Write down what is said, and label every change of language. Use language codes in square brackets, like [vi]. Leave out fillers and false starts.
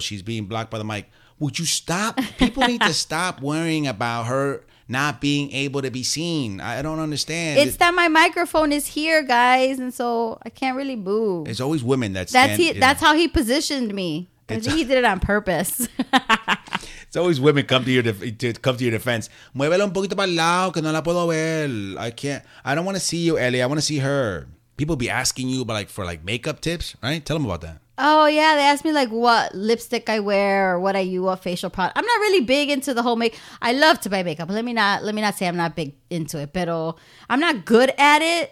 [en] She's being blocked by the mic. Would you stop? People need to stop worrying about her not being able to be seen. I don't understand. It's that my microphone is here, guys, and so I can't really move. It's always women that stand. That's how he positioned me. He did it on purpose. It's always women come to your defense. [es] Muévelo un poquito para el lado que no la puedo ver. [en] I don't want to see you, Ellie. I want to see her. People be asking you for makeup tips, right? Tell them about that. Oh, yeah. They ask me what lipstick I wear or what I use, what facial product. I'm not really big into the whole makeup. I love to buy makeup. Let me not say I'm not big into it, but I'm not good at it.